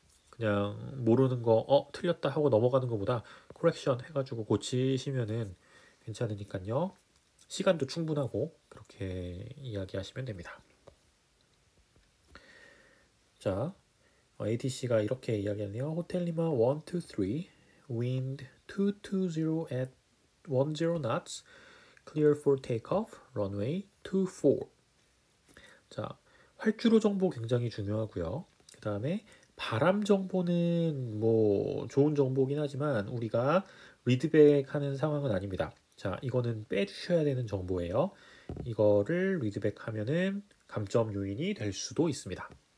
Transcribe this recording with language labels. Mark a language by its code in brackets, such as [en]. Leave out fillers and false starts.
[ko] 그냥 모르는 거, 틀렸다 하고 넘어가는 것보다 correction 해가지고 고치시면은 괜찮으니까요. 시간도 충분하고 그렇게 이야기하시면 됩니다. 자, ATC가 이렇게 이야기하네요. [en] 호텔 리마 123, wind 220 at 10 knots, clear for takeoff, runway 24. [ko] 자, 활주로 정보 굉장히 중요하고요. 그 다음에 바람 정보는 뭐 좋은 정보긴 하지만 우리가 리드백 하는 상황은 아닙니다. 자, 이거는 빼주셔야 되는 정보예요. 이거를 리드백 하면은 감점 요인이 될 수도 있습니다.